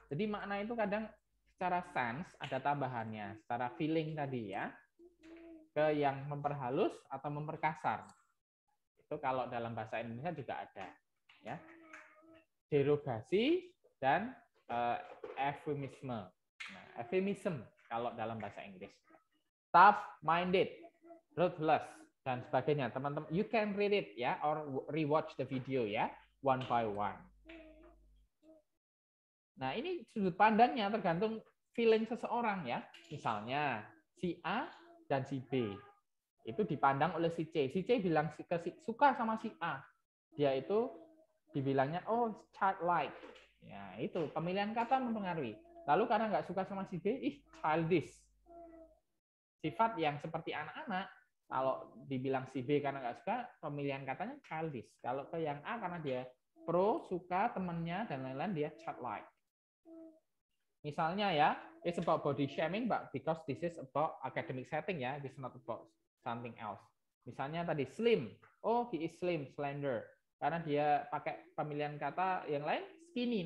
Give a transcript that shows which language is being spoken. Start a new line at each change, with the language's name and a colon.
Indonesian: Jadi makna itu kadang secara sense ada tambahannya, secara feeling tadi, ya, ke yang memperhalus atau memperkasar. Itu kalau dalam bahasa Indonesia juga ada, ya. Derogasi dan euphemism. Nah, euphemism kalau dalam bahasa Inggris. Tough-minded. Ruthless dan sebagainya. Teman-teman,
English: you can read it ya, yeah, or rewatch the video ya, yeah, one by one.
Indonesian: Nah, ini sudut pandangnya tergantung feeling seseorang ya. Misalnya si A dan si B itu dipandang oleh si C. Si C bilang suka sama si A. Dia itu dibilangnya oh childlike. Ya, itu pemilihan kata mempengaruhi. Lalu karena enggak suka sama si B, ih childish. Sifat yang seperti anak-anak, kalau dibilang si B karena enggak suka, pemilihan katanya childish. Kalau ke yang A karena dia pro, suka temannya dan lain-lain, dia childlike. Misalnya ya,
English: it's about body shaming, but because this is about academic setting ya, it's not about something else.
Indonesian: Misalnya tadi
English: slim, oh he is slim, slender.
Indonesian: Karena dia pakai pemilihan kata yang lain, skinny.